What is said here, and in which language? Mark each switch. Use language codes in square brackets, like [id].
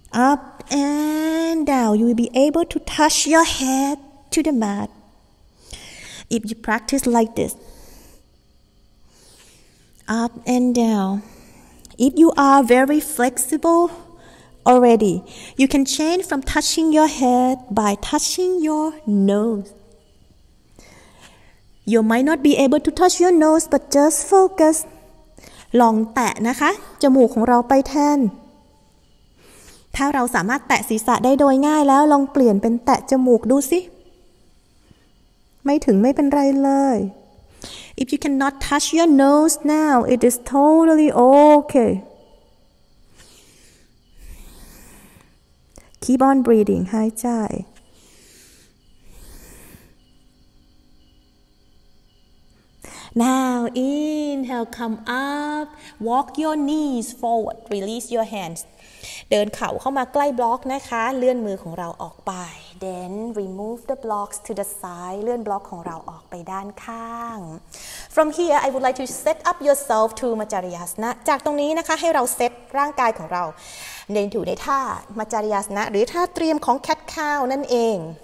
[en] Up and down You will be able to touch your head to the mat If you practice like this Up and downIf you are very flexible already, you can change from touching your head by touching your nose. You might not be able to touch your nose, but just focus. [th] ลองแตะนะคะจมูกของเราไปแทนถ้าเราสามารถแตะศีรษะได้โดยง่ายแล้วลองเปลี่ยนเป็นแตะจมูกดูสิไม่ถึงไม่เป็นไรเลย [en] If you cannot touch your nose now, it is totally okay. Keep on breathing, [th] หายใจ [en] Now inhale, come up, walk your knees forward, release your hands. [th] เดินเข่าเข้ามาใกล้บล็อกนะคะเลื่อนมือของเราออกไป [en] Then remove the blocks to the side [th] เลื่อนบล็อกของเราออกไปด้านข้าง [en] From here I would like to set up yourself to Majariasana [th] จากตรงนี้นะคะให้เราเซตร่างกายของเราในถูในท่า Majariasana หรือท่าเตรียมของ Cat Cow นั่นเอง